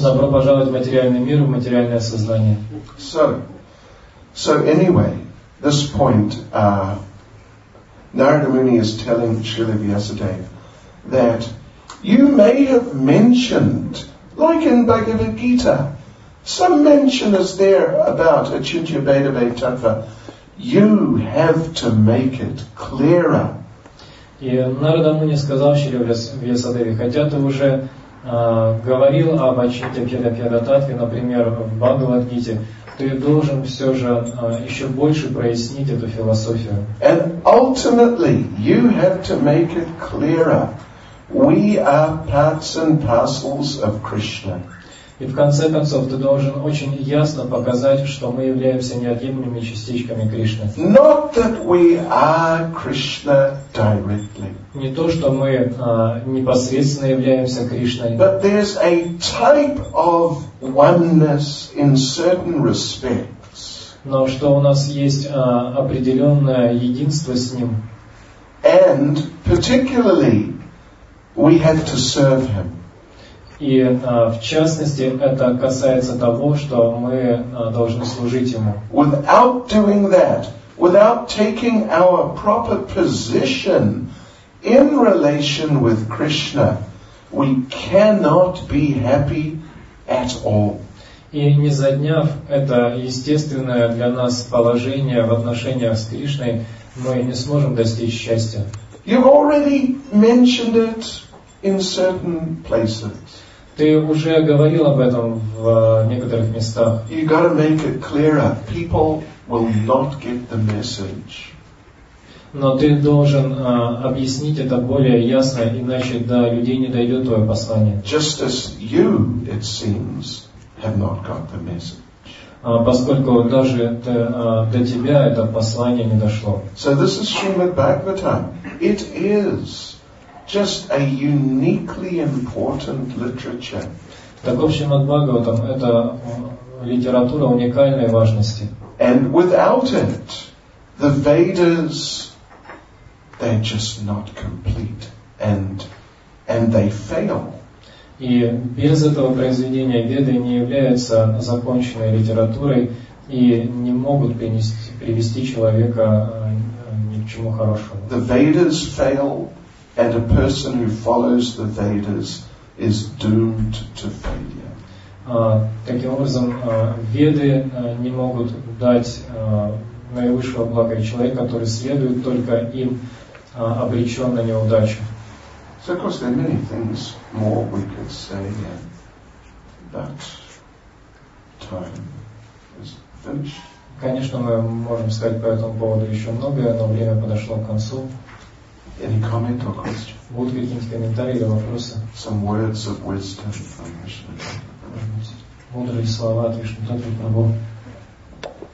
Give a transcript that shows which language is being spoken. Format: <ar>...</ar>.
<ru>Добро пожаловать в материальный мир, в материальное сознание.</ru> <en>So anyway, this point, Narada Muni is telling Srila Vyasadeva that you may have mentioned, like in Bhagavad Gita, Some mention is there about Achintya Bhedave Tattva. You have to make it clearer.</en> <ru>И Нарада Муни сказал Шри Вьясадеве, хотя ты уже говорил об Ачинте Пьяда Таттве, например, в Бхагавад-гите, ты должен все же еще больше прояснить эту философию.</ru> <en>And ultimately, you have to make it clearer. We are parts and parcels of Krishna.</en> <ru>И в конце концов, ты должен очень ясно показать, что мы являемся неотъемлемыми частичками Кришны.</ru> <en>Not that we are Krishna directly.</en> <ru>Не то, что мы непосредственно являемся Кришной.</ru> <en>But there's a type of oneness in certain respects.</en> <ru>Но что у нас есть определенное единство с Ним.</ru> <en>And particularly, we have to serve Him.</en> <ru>И в частности, это касается того, что мы должны служить Ему.</ru> <en>Without doing that, without taking our proper position in relation with Krishna, we cannot be happy at all.</en> <ru>И не заняв это естественное для нас положение в отношениях с Кришной, мы не сможем достичь счастья.</ru> <en>You've already mentioned it in certain places.</en> <ru>Ты уже говорил об этом в некоторых местах.</ru> <en>You gotta make it clearer. People will not get the message.</en> <ru>Но ты должен объяснить это более ясно, иначе до людей не дойдет твое послание.</ru> <en>Just as you, it seems, have not got the message.</en> <ru>Поскольку даже до тебя это послание не дошло.</ru> <en>So this is Srimad Bhagavatam. It is just a uniquely important literature.</en> <ru>Так, в общем, от Бхагаватам это литература уникальной важности.</ru> <en>And without it, the Vedas, they're just not complete, and they fail.</en> <ru>И без этого произведения Веды не являются законченной литературой и не могут привести человека ни к чему хорошему.</ru> <en>The Vedas fail. And a person who follows the Vedas is doomed to failure.</en> <ru>Таким образом, Веды не могут дать наивысшего блага, человек, который следует только им, обречен на неудачу.</ru> <en>So of course, there are many things more we could say, but time is finished.</en> <ru>Конечно, мы можем сказать по этому поводу еще многое, но время подошло к концу.</ru> <en>Any comment or question?</en> <ru>Будут какие-нибудь комментарии или вопросы?</ru> <en>Some words of wisdom from Vishnu.</en> <ru>Мудрые слова от Вишну Татвы Прабху.</ru>